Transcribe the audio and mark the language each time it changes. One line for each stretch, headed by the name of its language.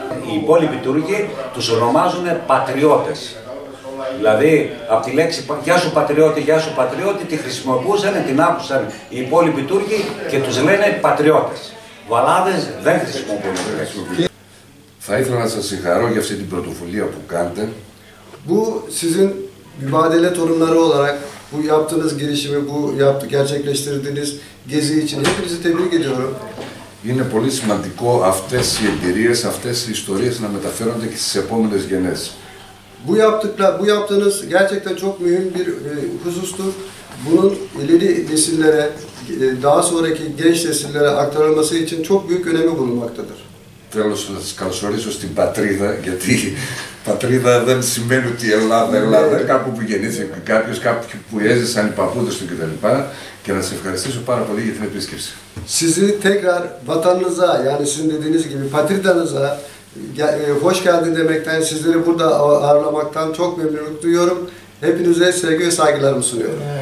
Greek: Οι υπόλοιποι Τούρκοι τους ονομάζουν πατριώτες. Δηλαδή, από τη λέξη γεια σου πατριώτη, τη χρησιμοποιούσαν, την άκουσαν οι υπόλοιποι Τούρκοι και τους λένε πατριώτες. Βαλάδες δεν χρησιμοποιούν. Θα ήθελα να σας συγχαρώ για αυτή την πρωτοβουλία που κάνετε.
Turkish: Bu sizin mübadele torunları olarak bu yaptığınız girişimi, bu yaptı, gerçekleştirdiğiniz gezi için hepinizi tebrik ediyorum.
Greek: Είναι πολύ σημαντικό αυτές οι εμπειρίες, αυτές οι ιστορίες να μεταφέρονται και στις επόμενες γενιές.
Turkish: Bu yaptıkla, bu yaptığınız gerçekten çok mühim bir husustur. Bunun ileri nesillere, daha sonraki genç nesillere aktarılması için çok büyük önemi bulunmaktadır.
Greek: Τέλος, θα σας καλωσορίσω στην πατρίδα, γιατί πατρίδα δεν σημαίνει ότι Ελλάδα, Ελλάδα, κάπου που γεννήθηκε κάποιος, κάποιοι που έζησαν οι παππούδες του κτλ. Και να σας ευχαριστήσω πάρα πολύ για την επίσκεψη.
Turkish: Sizi tekrar vatanınıza, yani sizin dediğiniz gibi patridanıza hoş geldin demekten, sizleri burada ağırlamaktan çok memnunluk duyuyorum. Hepinize sevgi ve saygılarımı sunuyorum.